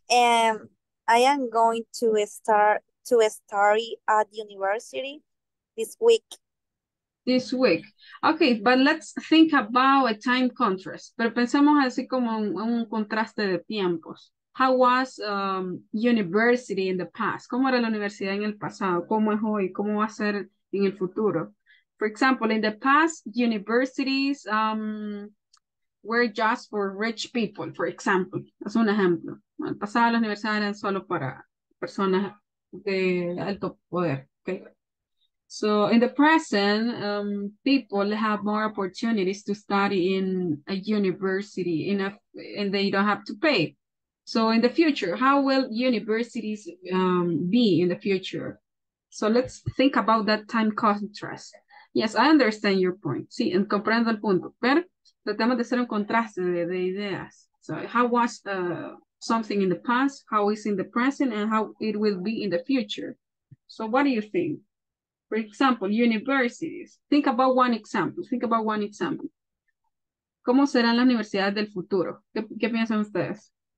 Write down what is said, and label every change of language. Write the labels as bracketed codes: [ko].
[en] I am going to study at university this week. This week. Okay, but let's think about a time contrast. [es] Pero pensemos así como un contraste de tiempos. [en] How was university in the past? [es] ¿Cómo era la universidad en el pasado? ¿Cómo es hoy? ¿Cómo va a ser en el futuro? [en] For example, in the past, universities were just for rich people, for example. [es] Es un ejemplo. En el pasado, las universidades eran solo para personas de alto poder. [en] Okay. So in the present, people have more opportunities to study in a university and they don't have to pay. So in the future, how will universities be in the future? So let's think about that time contrast. Yes, I understand your point. [es] Sí, comprendo el punto. Pero tratamos de hacer un contraste de ideas. [en] So how was something in the past, how is in the present, and how it will be in the future. So what do you think? For example, universities. Think about one example. Think about one example. [es] ¿Cómo serán las universidades del futuro? ¿Qué piensan ustedes?